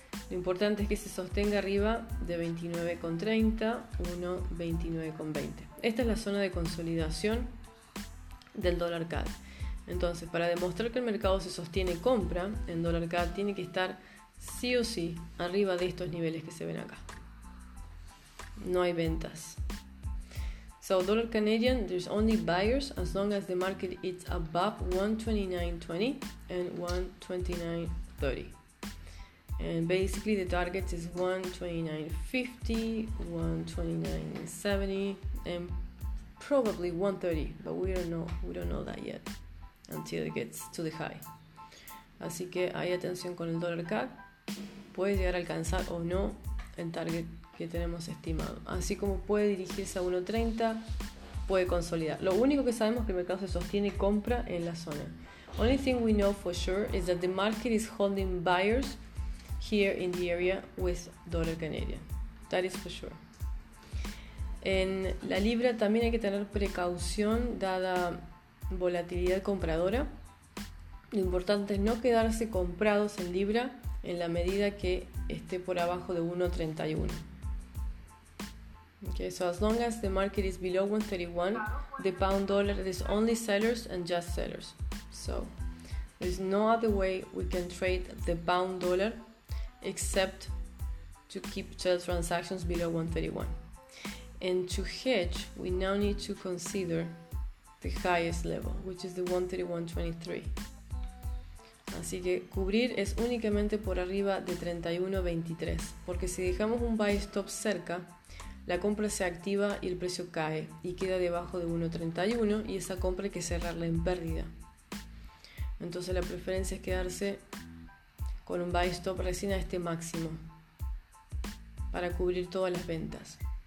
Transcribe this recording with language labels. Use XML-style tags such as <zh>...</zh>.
<es>Lo importante es que se sostenga arriba de 29.30, 1.2920. Esta es la zona de consolidación del dólar CAD. Entonces, para demostrar que el mercado se sostiene compra en dólar CAD, tiene que estar sí o sí arriba de estos niveles que se ven acá. No hay ventas.</es> <en>So, dólar Canadian, there's only buyers as long as the market is above 1.2920 and 1.2930. And basically the target is 1.2950, 1.2970, and probably 1.30, but we don't know that yet until it gets to the high.</en> <es>Así que hay atención con el dólar CAD. Puede llegar a alcanzar o no el target que tenemos estimado. Así como puede dirigirse a 1.30, puede consolidar. Lo único que sabemos es que el mercado se sostiene compra en la zona.</es> <en>Only thing we know for sure is that the market is holding buyers here in the area with dollar Canadian. That is for sure.</en> <es>En la libra también hay que tener precaución dada volatilidad compradora. Lo importante es no quedarse comprados en libra en la medida que esté por abajo de 1.31.</es> <en>Okay, so as long as the market is below 1.31, the pound dollar is only sellers and just sellers. So there's no other way we can trade the pound dollar except to keep sell transactions below 1.31. And to hedge, we now need to consider the highest level, which is the 1.3123.</en> <es>Así que cubrir es únicamente por arriba de 31.23, porque si dejamos un buy stop cerca, la compra se activa y el precio cae y queda debajo de 1.31 y esa compra hay que cerrarla en pérdida. Entonces la preferencia es quedarse con un buy stop recién a este máximo para cubrir todas las ventas.</es>